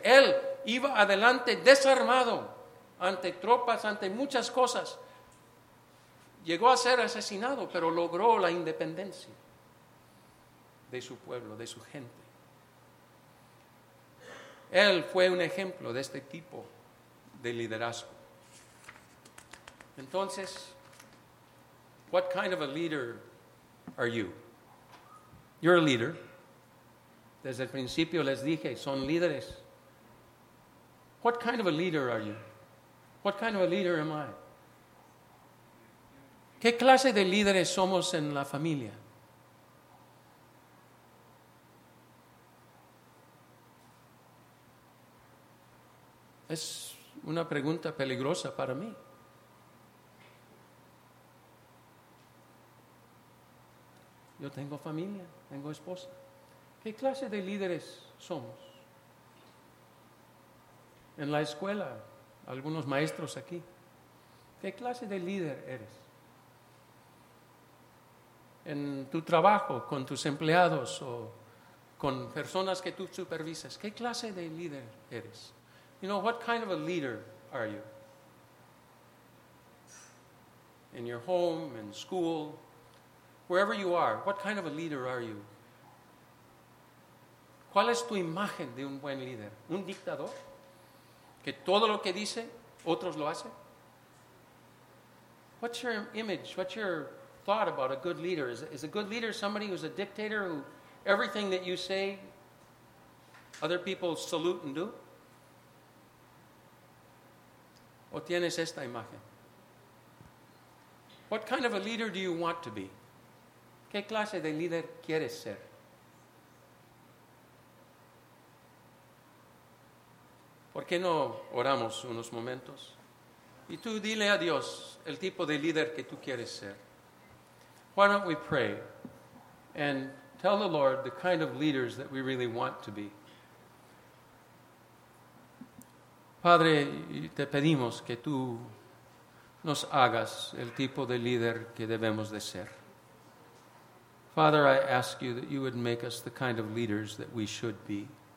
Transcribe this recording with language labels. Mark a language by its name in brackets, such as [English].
[Spanish] Él iba adelante desarmado, ante tropas, ante muchas cosas. Llegó a ser asesinado, pero logró la independencia de su pueblo, de su gente. Él fue un ejemplo de este tipo de liderazgo. [English] Entonces, what kind of a leader are you? You're a leader. [Spanish] Desde el principio les dije, son líderes. [English] What kind of a leader are you? What kind of a leader am I? [Spanish] ¿Qué clase de líderes somos en la familia? Es una pregunta peligrosa para mí. Yo tengo familia, tengo esposa. ¿Qué clase de líderes somos? En la escuela, algunos maestros aquí. ¿Qué clase de líder eres? En tu trabajo, con tus empleados o con personas que tú supervisas, ¿qué clase de líder eres? [English] You know, what kind of a leader are you? In your home, in school, wherever you are, what kind of a leader are you? [Spanish] ¿Cuál es tu imagen de un buen líder? ¿Un dictador? ¿Que todo lo que dice, otros lo hacen? [English] What's your image? What's your thought about a good leader? Is a good leader somebody who's a dictator who everything that you say, other people salute and do? [Spanish] ¿O tienes esta imagen? [English] What kind of a leader do you want to be? [Spanish] ¿Qué clase de líder quieres ser? ¿Por qué no oramos unos momentos? Y tú dile a Dios el tipo de líder que tú quieres ser. [English] Why don't we pray and tell the Lord the kind of leaders that we really want to be? [Spanish] Padre, te pedimos que tú nos hagas el tipo de líder que debemos de ser. [English] Father, I ask you that you would make us the kind of leaders that we should be.